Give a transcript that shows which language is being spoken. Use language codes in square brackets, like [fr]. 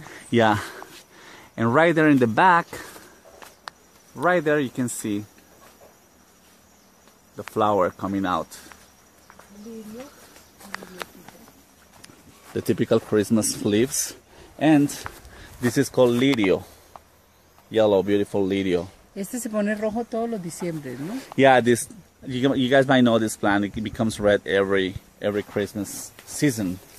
[en] Yeah, and right there in the back. Right there, you can see the flower coming out. The typical Christmas leaves. And this is called lirio. yellow, beautiful lirio. [es] Este se pone rojo todos los diciembre, ¿no? [en] Yeah, this, you guys might know this plant. It becomes red every Christmas season.